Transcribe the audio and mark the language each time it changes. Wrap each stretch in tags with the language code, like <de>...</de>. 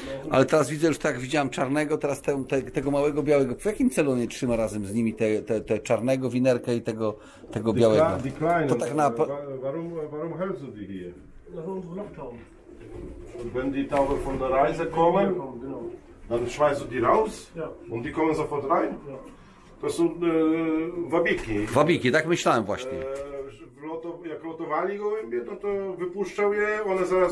<pl>Ale teraz widzę, już tak widziałem czarnego, teraz tego małego białego. W jakim celu on je trzyma razem z nimi te czarnego winerkę i tego białego? To tak na.</pl> <de>Warum hältst du die hier? Na rund Lockdown. Und wenn die Taube von der Reise kommen, dann schmeißt du die raus und die kommen sofort rein.</de> <pl>To są wabiki. Wabiki, tak myślałem właśnie. Jak lotowali gołębie, to wypuszczał je, one zaraz.</pl>